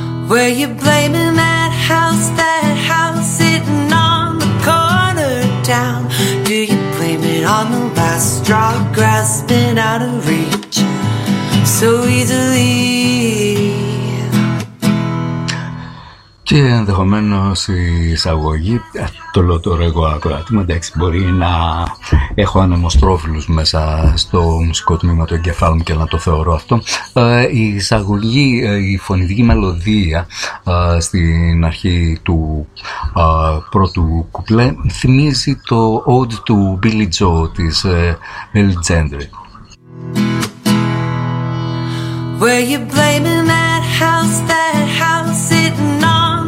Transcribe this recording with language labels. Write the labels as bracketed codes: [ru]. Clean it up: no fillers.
[en] Were you blaming that house sitting on the corner town? Do you blame it on the last straw grasping out of reach so easily? [el] Και ενδεχομένως η εισαγωγή, το λέω τώρα εγώ ακροατή, εντάξει, μπορεί να έχω ανεμοστρόφιλους μέσα στο μουσικό τμήμα του εγκεφάλου μου και να το θεωρώ αυτό. Η εισαγωγή, η φωνητική μελωδία στην αρχή του πρώτου κουπλέ θυμίζει το Ode to Billy Joe της Mel Gendry. [en] Were you blaming that house sitting on?